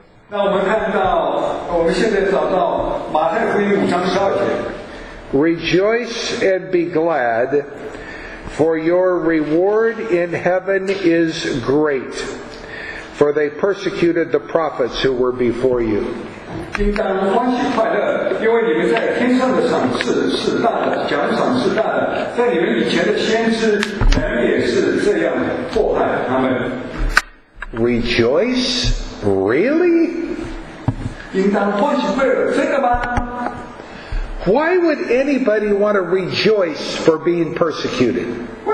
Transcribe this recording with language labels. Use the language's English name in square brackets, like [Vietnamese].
[Chinese] 那我们看到，我们现在找到马太福音五章十二节。 [English] Rejoice and be glad, for your reward in heaven is great. For they persecuted the prophets who were before you. [Chinese] 应当欢喜快乐，因为你们在天上的赏赐是大的，奖赏是大的。在你们以前的先知，人也是这样迫害他们。 [English] Rejoice Really? Why would anybody want to rejoice for being persecuted?